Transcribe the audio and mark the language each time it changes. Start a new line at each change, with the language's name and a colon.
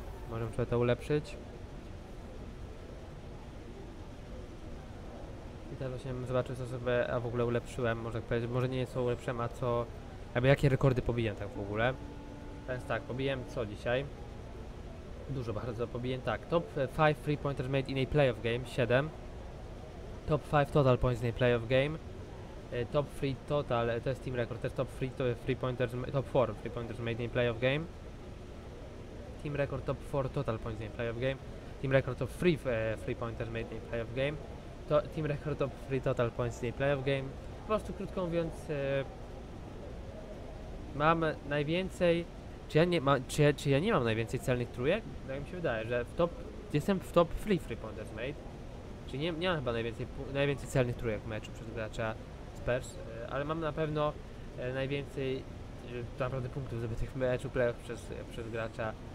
Polish: Możemy sobie to ulepszyć. I teraz właśnie zobaczę, co sobie w ogóle ulepszyłem. Może powiedzieć, może nie co ulepszyłem, a co... Jakby jakie rekordy pobiłem tak w ogóle. Więc tak, pobiłem co dzisiaj? Dużo bardzo pobiłem.
English: Tak, top 5 free pointers made in a playoff game, 7. Top 5 total points in a playoff game. Top 3 total,
Polish: to jest
English: team record, też top 3 to free pointers, top 4 free pointers made in a playoff game. Team record top 4 total points in a playoff game. Team record top 3 free pointers made in a playoff game. Team record top 3 total points in a playoff game.
Polish: Po prostu krótko mówiąc, mam najwięcej. Czy ja nie mam najwięcej celnych trójek? No mi się wydaje, że jestem w
English: top 3 free pointers made.
Polish: Czyli nie mam chyba najwięcej celnych trójek w meczu przez gracza Spurs, ale mam na pewno najwięcej naprawdę punktów zdobytych w meczu playoff przez gracza.